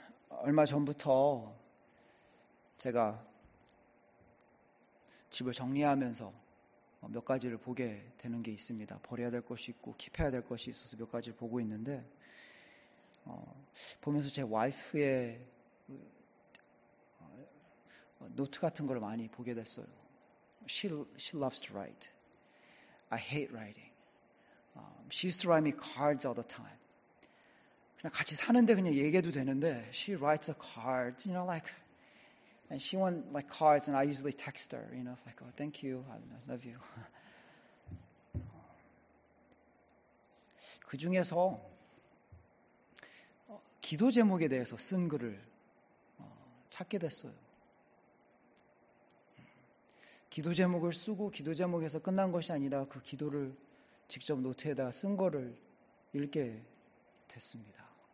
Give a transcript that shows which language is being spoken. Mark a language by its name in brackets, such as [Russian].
[Korean] 얼마 전부터 제가 집을 정리하면서 몇 가지를 보게 되는 게 있습니다. 버려야 될 것이 있고 킵해야 될 것이 있어서 몇 가지를 보고 있는데 보면서 제 와이프의 노트 같은 걸 많이 보게 됐어요. [English] She loves to write. I hate writing. She used to write me cards all the time. [Korean] 그냥 같이 사는데 그냥 얘기해도 되는데 [English] She writes a card, you know, like And she won like cards, and I usually text her. You know, it's like, oh, thank you, I love you. [Korean] 그 중에서 기도 제목에 대해서 쓴 글을 찾게 됐어요. 기도 제목을 쓰고 기도 제목에서 끝난 것이 아니라 그 기도를 직접 노트에다가 쓴 거를 읽게 됐습니다.